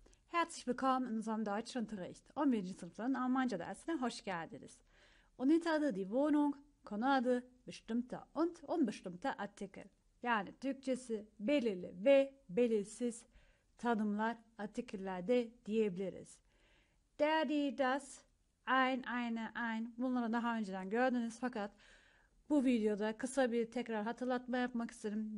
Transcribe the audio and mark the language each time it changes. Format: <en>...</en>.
<de>Herzlich willkommen in unserem Deutschunterricht.</de> <tr>11. sınıfların Almanca dersine hoş geldiniz. Unit adı</tr> <de>die Wohnung,</de> <tr>konu adı</tr> <de>bestimmter und unbestimmter Artikel.</de> <tr>Yani Türkçesi belirli ve belirsiz tanımlar, artikeller de diyebiliriz. Der, die, das, eine. Bunları daha önceden gördünüz fakat bu videoda kısa bir tekrar hatırlatma yapmak isterim.</tr>